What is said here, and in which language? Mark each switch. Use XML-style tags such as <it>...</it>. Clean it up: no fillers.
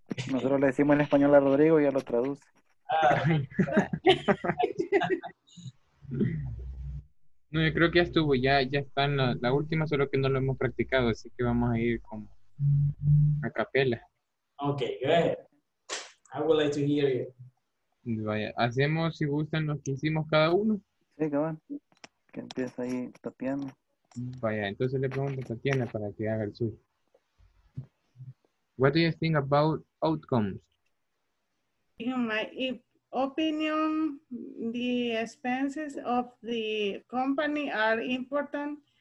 <es>Nosotros le decimos en español a Rodrigo y ya lo traduce. No, yo creo que ya estuvo, ya está en la última, solo que no lo hemos practicado, así que vamos a ir como a capela.</es> <en>Okay, go ahead. I would like to hear you.</en> <es>Vaya, hacemos si gustan lo que hicimos cada uno. Sí, cabrón. Que empieza ahí Tatiana. Vaya, entonces le pregunto a Tatiana para que haga el suyo.</es> <en>What do you think about outcomes? In my opinion, the expenses of the company are important.</en>